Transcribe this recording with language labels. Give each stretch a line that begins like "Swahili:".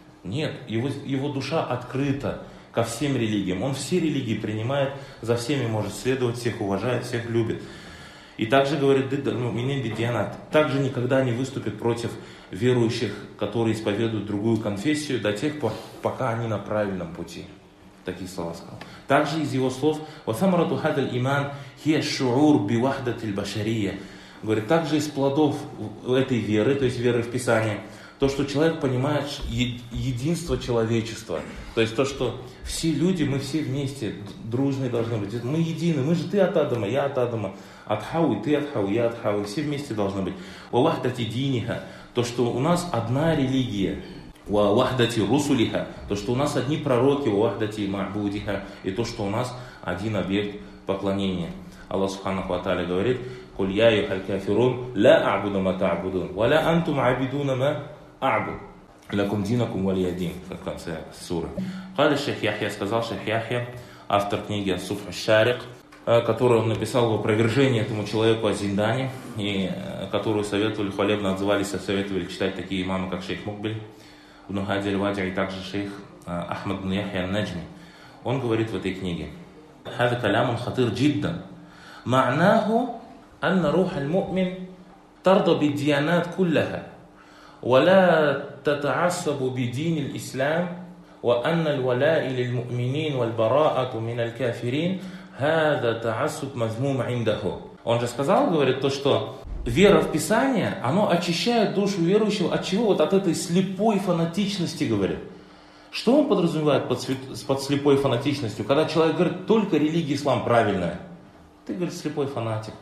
Russian: Нет, его душа открыта ко всем религиям. Он все религии принимает, за всеми может следовать, всех уважает, всех любит. И также, говорит, также никогда не выступит против верующих, которые исповедуют другую конфессию, до тех пор, пока они на правильном пути. Такие слова сказал. Также из его слов,
Arabic: وَثَمَرَةُ هَذَا الْإِمَانِ هِيَ شُعُورُ بِوَحْدَةِ الْبَشَرِيَ.
Russian: Говорит, также из плодов этой веры, то есть веры в Писание, то, что человек понимает единство человечества. То есть то, что все люди, мы все вместе, дружные должны быть. Мы едины, мы же ты от Адама, я от Адама. От Хауи, ты от Хауи, я от Хауи. Все вместе должны быть.
Arabic: وَوَحْدَةِ دِينِهَا.
Russian: То, что у нас одна религия.
Arabic: وَوَحْدَةِ رُسُلِهَا.
Russian: То, что у нас одни пророки.
Arabic: وَوَحْدَةِ مَعْبُودِهَا.
Russian: И то, что у нас один объект поклонения.
Arabic: Аллах Субханаху ва Тааля
Russian: говорит,
Arabic: قُلْ يَا أَيُّهَا الْكَافِرُونَ لَا أَعْبُدُ مَا تَعْبُدُونَ وَلَا أَنْتُمْ عَابِدُونَ مَا أَعْبُدُ لَكُمْ دِينَكُمْ وَلِيَ دِينِ.
Russian: Как в конце суры.
Arabic: قال الشيخ يحيى,
Russian: сказал шейх Яхья, автор книги «Суфх аш-Шарих», которую он написал в опровержении этому человеку о Зиндане, и которую советовали, хвалебно отзывались, советовали читать такие имамы, как шейх Мукбель, ибн Хади аль-Вадии, и также шейх Ахмад ибн Яхья аль-Наджми. Он говорит в этой книге,
Arabic: هذا كلام خطير جدا معناه أن روح المؤمن ترضى بالديانات كلها ولا تتعصب بدين الإسلام وأن الولاء للمؤمنين والبراءة من الكافرين هذا تعصب مذموم عنده.
Russian: Он же сказал, говорит, то, что вера в Писание, оно очищает душу верующего от чего? Вот от этой слепой фанатичности, говорит. Что он подразумевает под слепой фанатичностью? Когда человек говорит, только религия ислам правильная. Ты, говорит, слепой фанатик.